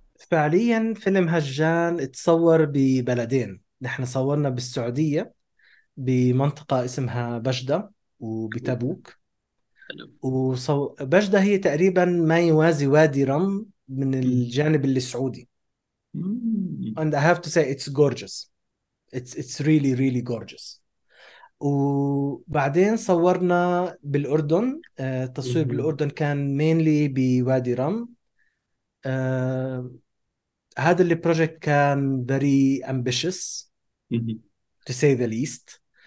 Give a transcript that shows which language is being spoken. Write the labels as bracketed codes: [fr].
[ar] فعليا فيلم هجان اتصور ببلدين، نحن صورنا بالسعوديه بمنطقه اسمها بجده وبتبوك، وبجده هي تقريبا ما يوازي وادي رم من الجانب السعودي. [en] And I have to say it's gorgeous. It's really really gorgeous. [ar] وبعدين صورنا بالأردن، التصوير بالأردن كان mainly بوادي رم. هذا اللي [en] project [ar] كان [en] very ambitious to say the least.